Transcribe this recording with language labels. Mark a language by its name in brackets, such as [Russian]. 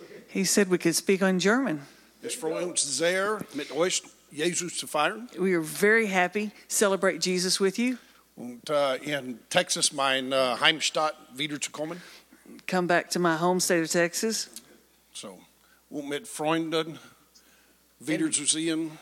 [English] He said we could speak on German. [German] Es freut uns sehr, mit euch Jesus zu feiern. [English] We are very happy to celebrate Jesus with you. [German] Und in Texas, mein Heimstadt, wieder zu kommen. [English] Come back to my home state of Texas. [German] So, und mit Freunden wieder zu sehen.